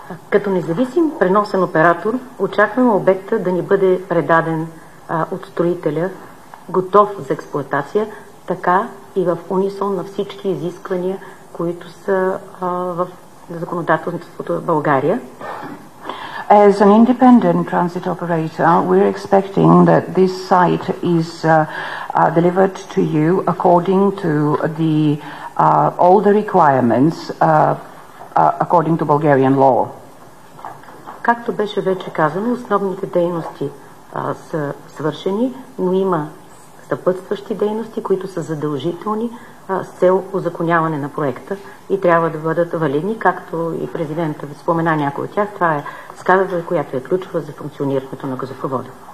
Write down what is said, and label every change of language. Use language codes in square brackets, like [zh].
[bg] Като независим преносен оператор, очакваме обекта да ни бъде предаден от строителя, готов за експлоатация, така и в унисон на всички изисквания, които са в законодателството в България. [en] As an independent transit operator, we're expecting that this site is delivered to you according to the all the requirements according to Bulgarian law. [bg] Както беше вече казано, основните дейности са свършени, но има съпътстващи дейности, които са задължителни с цел узаконяване на проекта и трябва да бъдат валидни, както и президента спомена някои от тях. Това е сградата, която е ключова за функционирането на газопровода.